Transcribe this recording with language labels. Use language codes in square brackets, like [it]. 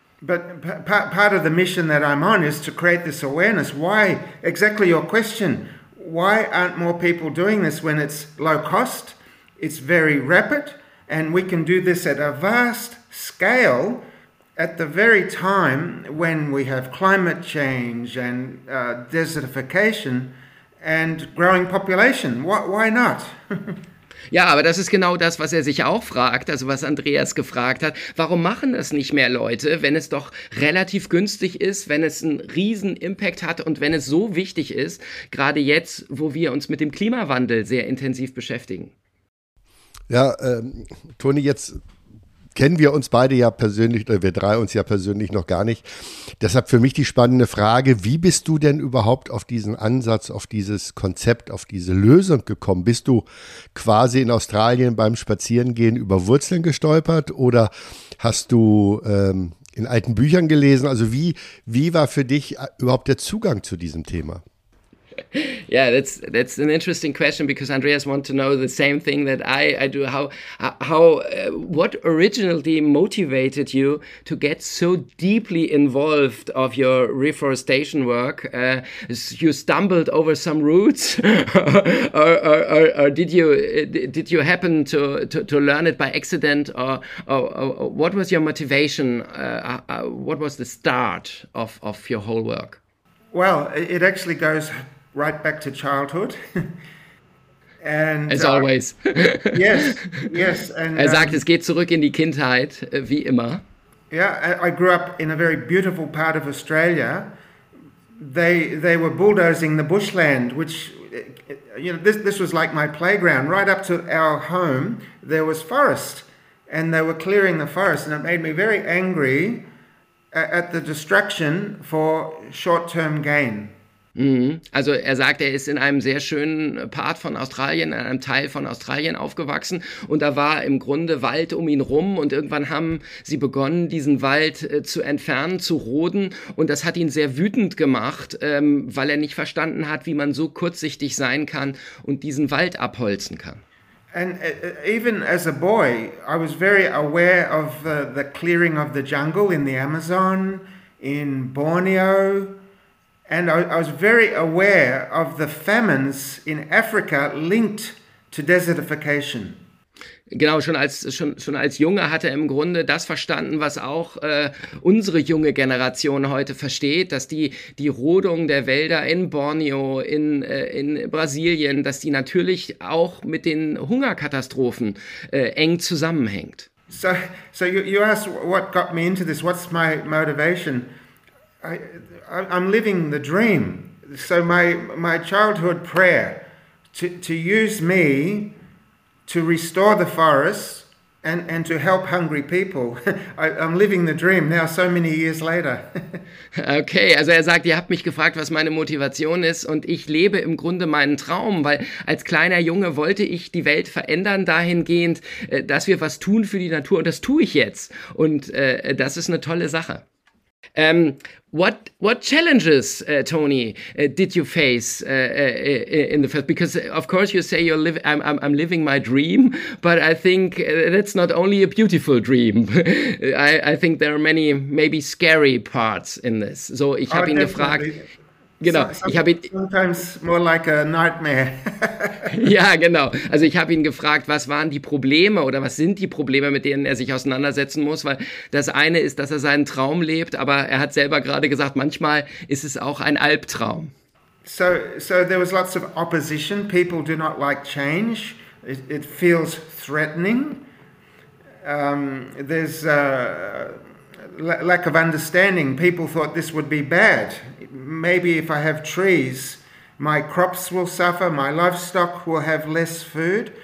[en] But part of the mission that I'm on is to create this awareness. Why? Exactly your question. Why aren't more people doing this when it's low cost, it's very rapid, and we can do this at a vast scale at the very time when we have climate change and desertification and growing population? Why not? [de] Ja, aber das ist genau das, was er sich auch fragt, also was Andreas gefragt hat. Warum machen das nicht mehr Leute, wenn es doch relativ günstig ist, wenn es einen riesen Impact hat und wenn es so wichtig ist, gerade jetzt, wo wir uns mit dem Klimawandel sehr intensiv beschäftigen? Ja, Toni, jetzt kennen wir uns beide ja persönlich, oder wir drei uns ja persönlich noch gar nicht. Deshalb für mich die spannende Frage, wie bist du denn überhaupt auf diesen Ansatz, auf dieses Konzept, auf diese Lösung gekommen? Bist du quasi in Australien beim Spazierengehen über Wurzeln gestolpert oder hast du in alten Büchern gelesen? Also wie war für dich überhaupt der Zugang zu diesem Thema? [en] Yeah, that's an interesting question because Andreas wants to know the same thing that I do. What originally motivated you to get so deeply involved of your reforestation work? You stumbled over some roots, or did you happen to learn it by accident, or what was your motivation? What was the start of your whole work? Well, it actually goes right back to childhood. And, as always. yes. [de] And, er sagt, es geht zurück in die Kindheit, wie immer. [en] Yeah, I grew up in a very beautiful part of Australia. They were bulldozing the bushland, which, you know, this was like my playground. Right up to our home, there was forest. And they were clearing the forest. And it made me very angry at the destruction for short-term gain. [de] Also er sagt, er ist in einem sehr schönen Part von Australien, in einem Teil von Australien aufgewachsen und da war im Grunde Wald um ihn rum und irgendwann haben sie begonnen, diesen Wald zu entfernen, zu roden und das hat ihn sehr wütend gemacht, weil er nicht verstanden hat, wie man so kurzsichtig sein kann und diesen Wald abholzen kann. [en] And even as a boy, I was very aware of the clearing of the jungle in the Amazon, in Borneo. And I was very aware of the famines in Africa linked to desertification. [de] Genau, schon als Junge hat er im Grunde das verstanden, was auch unsere junge Generation heute versteht, dass die Rodung der Wälder in Borneo, in Brasilien, dass die natürlich auch mit den Hungerkatastrophen eng zusammenhängt. [en] So you asked what got me into this, what's my motivation? I'm living the dream. So my childhood prayer to use me to restore the forest and to help hungry people. I'm living the dream now so many years later. [de] Okay, also er sagt, ihr habt mich gefragt, was meine Motivation ist und ich lebe im Grunde meinen Traum, weil als kleiner Junge wollte ich die Welt verändern dahingehend, dass wir was tun für die Natur und das tue ich jetzt und das ist eine tolle Sache. [en] What challenges, Tony, did you face in the first? Because of course you say I'm living my dream, but I think that's not only a beautiful dream. I think there are many maybe scary parts in this. [de] So ich habe ihn gefragt. Genau, ich habe ihn. [en] Sometimes more like a nightmare. [de] Ja, genau. Also ich habe ihn gefragt, was waren die Probleme oder was sind die Probleme, mit denen er sich auseinandersetzen muss, weil das eine ist, dass er seinen Traum lebt, aber er hat selber gerade gesagt, manchmal ist es auch ein Albtraum. [en] So there was lots of opposition. People do not like change. It feels threatening. There's a lack of understanding. People thought this would be bad. Maybe if I have trees, my crops will suffer, my livestock will have less food.